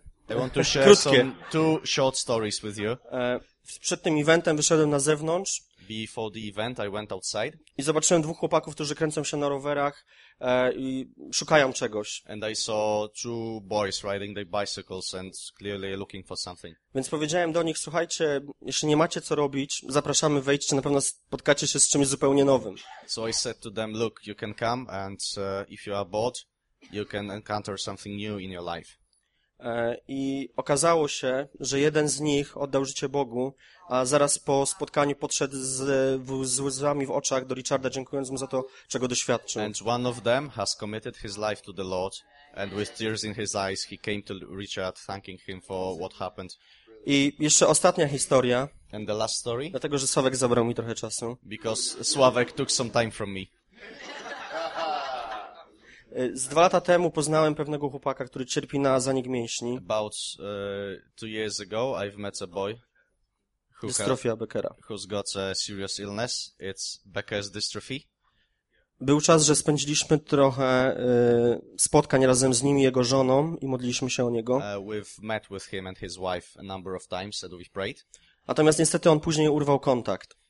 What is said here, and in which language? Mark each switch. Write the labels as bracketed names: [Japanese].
[English] I want to share some two short stories with you. [Polish] Przed tym eventem wyszedłem na zewnątrz. [English] Before the event, I went outside. [Polish] I zobaczyłem dwóch chłopaków, którzy kręcą się na rowerach i szukają czegoś. [English] And I saw two boys riding their bicycles and clearly looking for something. [Polish] Więc powiedziałem do nich: słuchajcie, jeśli nie macie co robić, zapraszamy, wejdźcie, na pewno spotkacie się z czymś zupełnie nowym. [English] So I said to them: look, you can come and if you are bored, you can encounter something new in your life. [Polish] I okazało się, że jeden z nich oddał życie Bogu, a zaraz po spotkaniu podszedł z łzami w oczach do Richarda, dziękując mu za to, czego doświadczył. [English] And one of them has committed his life to the Lord, and with tears in his eyes he came to Richard thanking him for what happened. [Polish] I jeszcze ostatnia historia. [English] And the last story? [Polish] Dlatego, że Sławek zabrał mi trochę czasu. [English] Because Sławek took some time from me. [Polish] Z 2 lata temu poznałem pewnego chłopaka, który cierpi na zanik mięśni. [English] About 2 years ago, I've met a boy who [Polish] dystrofia Beckera. [English] Who's got a serious illness. It's Becker's dystrophy. [Polish] Był czas, że spędziliśmy trochę spotkań razem z nim i jego żoną i modliliśmy się o niego. [English] We've met with him and his wife a number of times and we've prayed. [Polish] Natomiast niestety on później urwał kontakt.